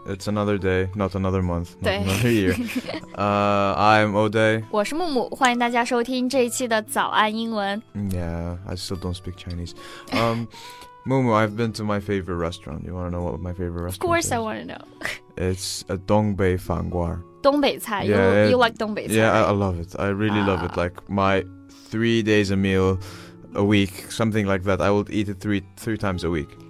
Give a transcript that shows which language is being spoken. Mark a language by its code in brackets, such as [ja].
[en] It's another day, not another month, not another year. I'm O'Day. [zh] 我是木木，欢迎大家收听这一期的早安英文。 [en] Yeah, I still don't speak Chinese. Mumu, I've been to my favorite restaurant. You want to know what my favorite restaurant is? Of course I want to know. It's a Dongbei Fanguar. [zh] 东北菜 [en] you like Dongbei 菜 Yeah, I love it. I really love it. Like my 3 days a meal a week, something like that. I will eat it three times a week.